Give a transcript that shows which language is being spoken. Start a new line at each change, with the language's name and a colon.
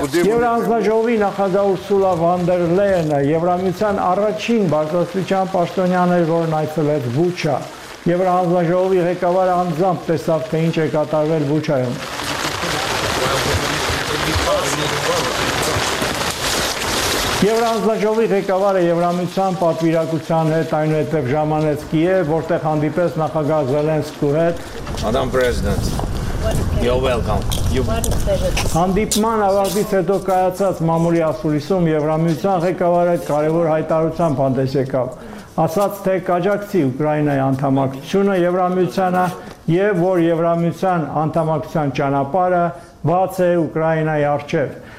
Armenian: Եվրանձնաժողովի նախագահ Ուրսուլա վոն դեր Լեյենը Եվրամիության առաջին բարձրաստիճան պաշտոնյանն էր, որն այցելեց Բուչա։ Եվրահանձնաժողովի ղեկավարը անձամբ տեսավ, թե ինչ է կատարվել Բուչայում։ Եվրահանձնաժողովի ղեկավարը Եվրամիության պատվիրակության հետ այնուհետև ժամանեց Կիև, որտեղ հանդիպեց նախագահ Զելենսկու հետ։
English: Madam President, you're welcome.
Armenian: Հանդիպման ավարտից հետո կայացած մամուլի ասուլիսում Եվրամիության ղեկավարը կարևոր հայտարարությամբ հանդես եկավ, ասաց, թե կաջակցի Ուկրաինայի անդամակցությունը Եվրամիությանը և որ Եվրամիության անդամակցության ճանապարհը բաց է Ուկրաինայի առջև։